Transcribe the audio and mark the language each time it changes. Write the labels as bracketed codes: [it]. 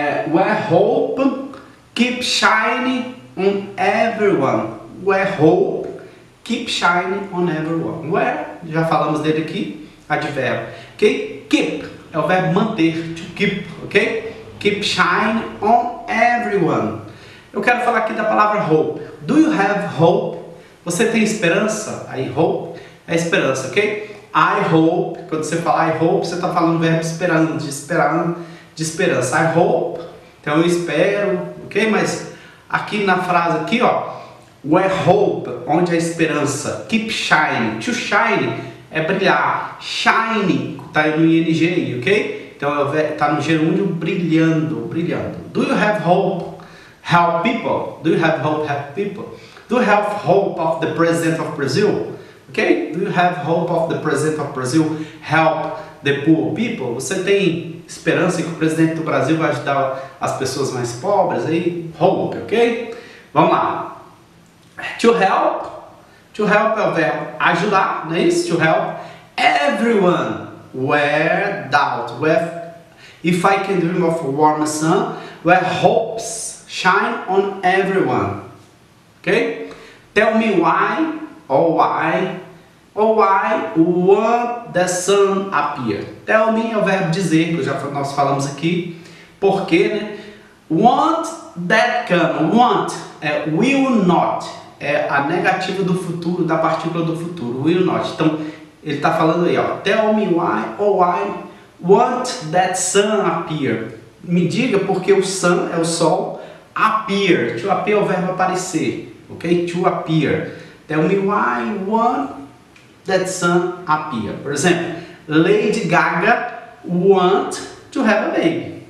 [en] Where hope keeps shining on everyone. Where hope keeps shining on everyone. [pt] Where, já falamos dele aqui, advérbio. Okay? Keep, é o verbo manter, to keep, ok? [en] Keep shining on everyone. [pt] Eu quero falar aqui da palavra hope. [en] Do you have hope? [pt] Você tem esperança? Aí hope é esperança, ok? [en] I hope, [pt] quando você fala I hope, você está falando o verbo esperando, de esperança. I hope, então eu espero, ok? Mas aqui na frase aqui, ó, where hope, onde é esperança, keep shine, to shine é brilhar, shine, está aí no ING, ok? Então está no gerúndio brilhando, brilhando. [en] Do you have hope, help people? Do you have hope, help people? Do you have hope of the president of Brazil? Ok? Do you have hope of the president of Brazil help the poor people? [pt] Você tem esperança que o presidente do Brasil vai ajudar as pessoas mais pobres aí? Hope, ok? Vamos lá. [en] To help. [pt] To help é o verbo ajudar, não é isso? [en] To help everyone. Where doubt. Where, if I can dream of a warm sun, where hopes shine on everyone. Ok? Tell me why. Oh, why won't the sun appear? [pt] Tell me é o verbo dizer, que nós falamos aqui. Por quê, né? [en] Won't that come? [pt] Won't é will not. É a negativa do futuro, da partícula do futuro. [en] Will not. [pt] Então, ele está falando aí, ó. [en] Tell me why, oh, why won't that sun appear? [pt] Me diga porque o sun é o sol. Appear. To appear é o verbo aparecer. [en] Ok? To appear. Tell me why won't that sun appear? [pt] Por exemplo, [en] Lady Gaga want to have a baby.